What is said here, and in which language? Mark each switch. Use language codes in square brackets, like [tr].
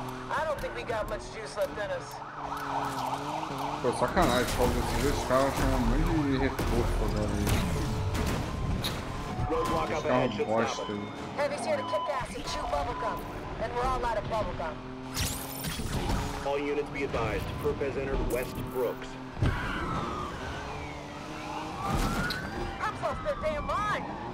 [en] I don't think we got much juice left in us. [pt] Pô, sacanagem, por causa desses caras, acham um monte de reforço pra dar ali. Esse carro é bosta aí. [en] Heavy's here to kick ass and chew bubblegum. And we're all out of bubblegum. All units be advised, perp has entered West Brooks. Perp's lost their damn mind!